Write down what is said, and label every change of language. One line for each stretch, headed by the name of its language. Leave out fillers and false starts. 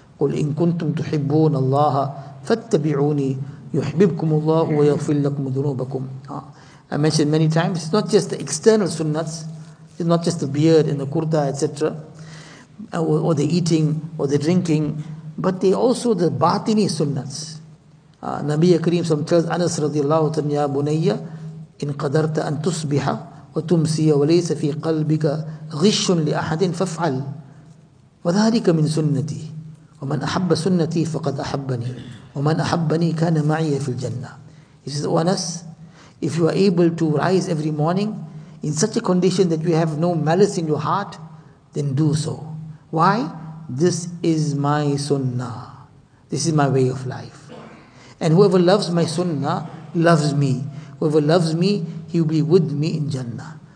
Arabic: قُلْ إِن كُنْتُمْ تُحِبُّونَ اللَّهَ فَاتَّبِعُونِي يُحْبِبْكُمُ اللَّهُ وَيَغْفِرْ لَكُمْ ذُنُوبَكُمْ.
English: I mentioned many times, it's not just the external sunnahs, it's not just the beard and the kurta, etc., or the eating or the drinking, but they also the batini sunnahs. Nabiya Kareem some tells Anas radiallahu ta'ala,
Arabic: يَا بُنَيَّ إِن قَدَرْتَ أَن تُصْبِحَ وَتُمْسِيَ وَلَيْسَ فِي قَلْبِكَ غِشٌّ لِأَحَدٍ فَافْعَلْ وَذَلِكَ مِن سُنَّتِي وَمَنْ أَحَبَّ سُنَّتِي فَقَدْ أَحَبَّنِي وَمَنْ أَحَبَّنِي كَانَ مَعِيَ فِي الْجَنَّةِ.
English: He says, O Anas, if you are able to rise every morning in such a condition that you have no malice in your heart, then do so. Why? This is my sunnah. This is my way of life. And whoever loves my sunnah loves me. Whoever loves me, he will be with me in Jannah.